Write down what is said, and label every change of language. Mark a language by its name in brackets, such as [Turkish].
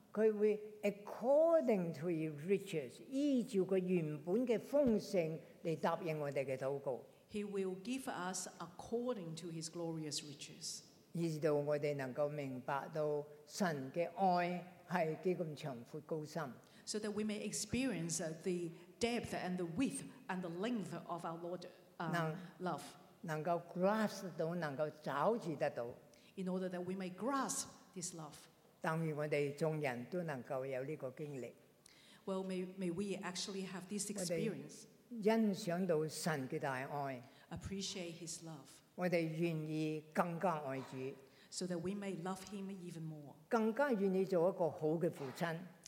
[Cantonese] 祂會 [English] according to his riches, [Cantonese] 依照祂原本的豐盛來答應我們的禱告。 [English] He will give us according to his glorious riches. [Cantonese] 以致到我們能夠明白到神的愛是幾咁長闊高深。 [English] So that we may experience the depth and the width and the length of our Lord, love. [Cantonese] 能夠 grasp 到，能夠找住得到。 [English] In order that we may grasp this love. [Cantonese] 但願我們眾人都能夠有呢個經歷。 [English] Well, may we actually have this experience. [Cantonese] 欣賞到神的大愛， [English] appreciate his love. [Cantonese] 我們願意更加愛主， [English] so that we may love him even more. [Cantonese] 更加願意做一個好的父親，